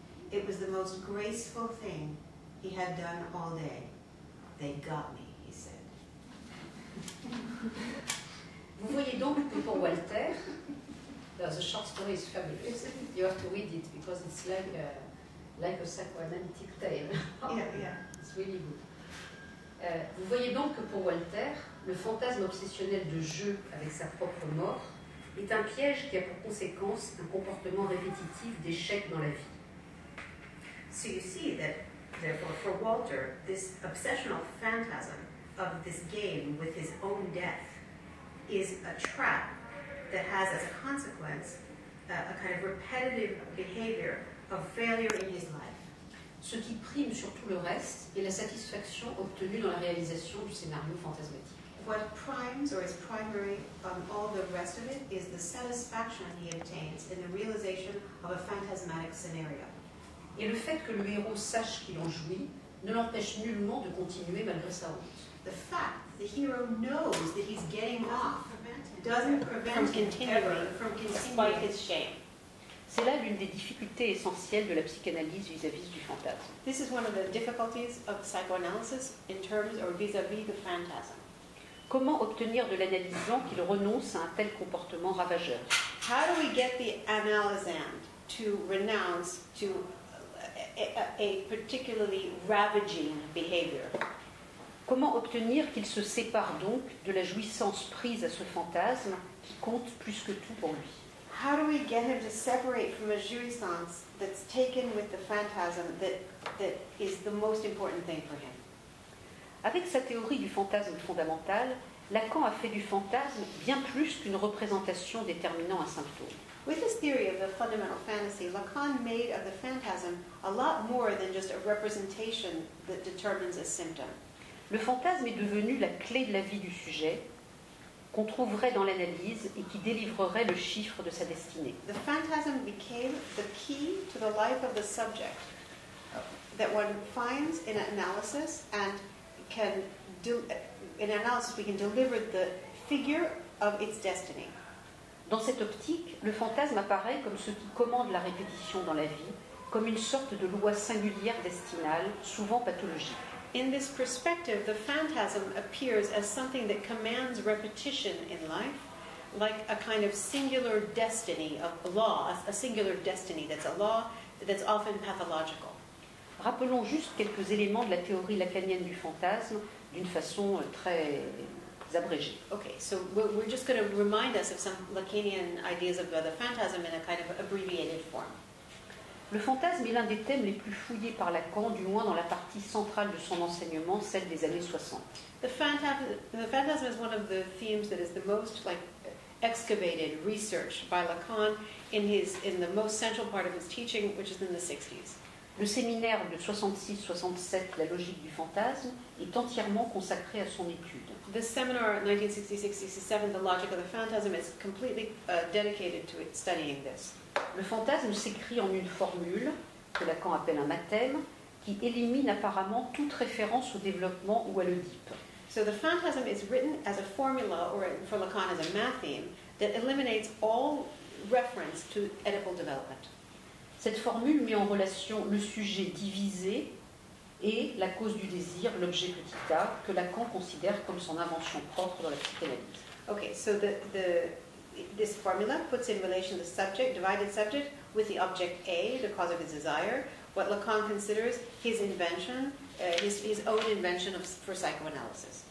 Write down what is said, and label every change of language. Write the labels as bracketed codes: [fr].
[en] It was the most graceful thing he had done all day. "They got me," he said. [fr] Vous voyez donc que pour [en] Walter, there's a short story, it's fabulous. You have to read it because it's like a psychoanalytic tale. Yeah. It's really good. [fr] Vous voyez donc que pour Walter, le fantasme obsessionnel de jeu avec sa propre mort est un piège qui a pour conséquence un comportement répétitif d'échec dans la vie. [en] So you see that, therefore, for Walter, this obsessional phantasm of this game with his own death is a trap that has as a consequence a kind of repetitive behavior of failure in his life. [fr] Ce qui prime sur tout le reste est la satisfaction obtenue dans la réalisation du scénario fantasmatique. [en] What primes or is primary on all the rest of it is the satisfaction he obtains in the realization of a phantasmatic scenario. [fr] Et le fait que le héros sache qu'il en jouit ne l'empêche nullement de continuer malgré sa honte. [en] The fact the hero knows that he's getting off doesn't prevent him from continuing his shame. [fr] C'est là l'une des difficultés essentielles de la psychanalyse vis-à-vis du fantasme. [en] This is one of the difficulties of psychoanalysis in terms or vis-à-vis the phantasm. [fr] Comment obtenir de l'analysant qu'il renonce à un tel comportement ravageur? [en] How do we get the analysand to renounce to a particularly ravaging behavior? [fr] Comment obtenir qu'il se sépare donc de la jouissance prise à ce fantasme qui compte plus que tout pour lui? [en] How do we get him to separate from a jouissance that's taken with the phantasm that is the most important thing for him? [fr] Avec sa théorie du fantasme fondamental, Lacan a fait du fantasme bien plus qu'une représentation déterminant un symptôme. [en] With his theory of the fundamental fantasy, Lacan made of the phantasm a lot more than just a representation that determines a symptom. [fr] Le fantasme est devenu la clé de la vie du sujet qu'on trouverait dans l'analyse et qui délivrerait le chiffre de sa destinée. [en] The phantasm became the key to the life of the subject that one finds in an analysis and can do in analysis we can deliver the figure of its destiny. [fr] Dans cette optique, le fantasme apparaît comme ce qui commande la répétition dans la vie, comme une sorte de loi singulière destinale, souvent pathologique. [en] In this perspective, the phantasm appears as something that commands repetition in life, like a kind of singular destiny, a law, a singular destiny that's a law that's often pathological. [fr] Rappelons juste quelques éléments de la théorie lacanienne du fantasme d'une façon très les abrégés. [en] Okay, so we're just going to remind us of some Lacanian ideas of the phantasm in a kind of abbreviated form. [fr] Le fantasme est l'un des thèmes les plus fouillés par Lacan, du moins dans la partie centrale de son enseignement, celle des années 60. [en] The phantasm is one of the themes that is the most like excavated, researched by Lacan in the most central part of his teaching, which is in the 60s. [fr] Le séminaire de 66-67, La logique du fantasme, est entièrement consacré à son étude. [en] The seminar 1966-67, The Logic of the Phantasm, is completely dedicated to it, studying this. [fr] Le fantasme s'écrit en une formule, que Lacan appelle un mathème, qui élimine apparemment toute référence au développement ou à l'Oedipe. [en] So the phantasm is written as a formula, or for Lacan as a matheme, that eliminates all reference to Oedipal development. [fr] Cette formule met en relation le sujet divisé et la cause du désir, l'objet petit a, que Lacan considère comme son invention propre dans la psychanalyse. [en] Okay, so this formula puts in relation the subject, divided subject, with the object A, the cause of his desire, what Lacan considers his invention, his own invention of, for psychoanalysis.